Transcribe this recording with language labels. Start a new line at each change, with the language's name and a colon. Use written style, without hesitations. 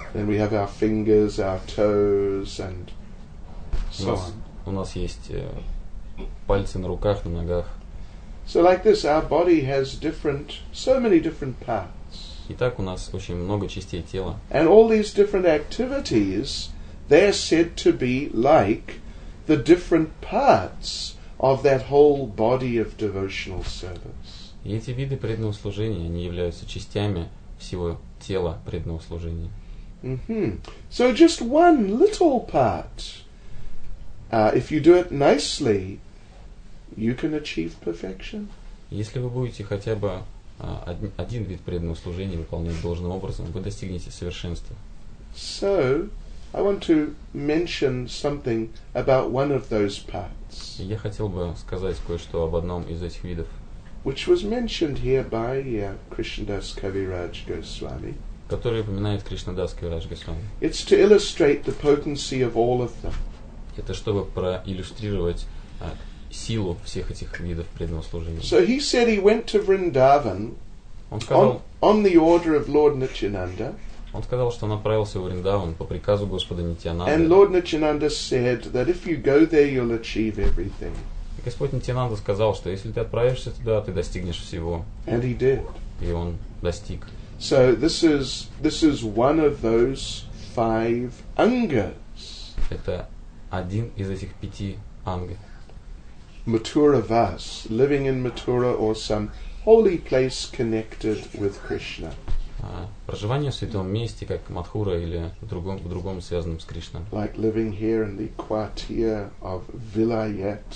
English: Then we have our fingers, our toes, and so on.
Russian: У нас есть пальцы на руках, на ногах.
English: So like this, our body has different, so many different parts.
Russian: И так у нас очень много частей тела.
English: And all these different activities, they're said to be like the different parts of that whole body of devotional service.
Russian: И эти виды преданного служения, они являются частями всего тела преданного служения.
English: Mm-hmm. So just one little part, if you do it nicely, you can achieve perfection.
Russian: Если вы будете хотя бы один вид преданного служения выполнять должным образом, вы достигнете совершенства.
English: So I want to mention something about one of those parts.
Russian: Я хотел бы сказать кое-что об одном из этих видов.
English: Which was mentioned here by Krishnadas Kaviraj Goswami.
Russian: Который упоминает Кришнадас Кавирадж Госвами.
English: It's to illustrate the potency of all of them.
Russian: Это чтобы проиллюстрировать силу всех этих видов преданного служения.
English: So he said he went to Vrindavan on the order of Lord Nityananda.
Russian: Он сказал, что направился в Вриндаван по приказу Господа Нитьянанды.
English: And Lord Nityananda said that if you go there, you'll achieve everything.
Russian: И Господь Нитьянанда сказал, что если ты отправишься туда, ты достигнешь всего.
English: And he did.
Russian: И он достиг.
English: So this is one of those five angas.
Russian: Это один из этих пяти анг.
English: Mathura Vas, living in Mathura or some holy place connected with Krishna.
Russian: Проживание в святом месте, как Мадхура или в другом связанном с Кришной.
English: Like living here in the quartier of Vilayet.